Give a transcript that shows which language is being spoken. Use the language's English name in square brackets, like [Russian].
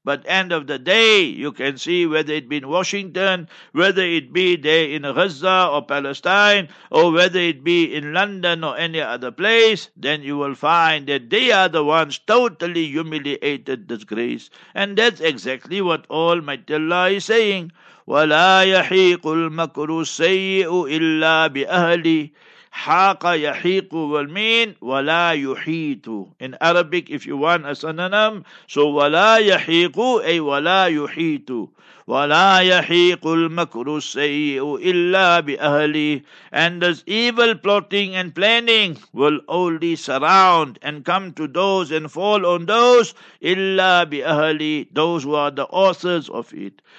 [English] But end of the day, you can see whether it be in Washington, whether it be there in Gaza or Palestine, or whether it be in London or any other place, then you will find that they are the ones totally humiliated, disgraced. And that's exactly what Almighty Allah is saying. [Arabic] وَلَا يَحِيقُ الْمَكْرُ السَّيِّئُ إِلَّا بِأَهْلِي حَاقَ يَحِيقُ [English] will mean [Arabic] وَلَا يُحِيطُ. [English] In Arabic, if you want a synonym, so [Arabic] وَلَا يَحِيقُ أي وَلَا يُحِيطُ. وَلَا يَحِيقُ الْمَكْرُ السَّيِّئُ إِلَّا بِأَهْلِي. [English] And this evil plotting and planning will only surround and come to those and fall on those [Arabic] إِلَّا بِأَهْلِي, [English] those who are the authors of it.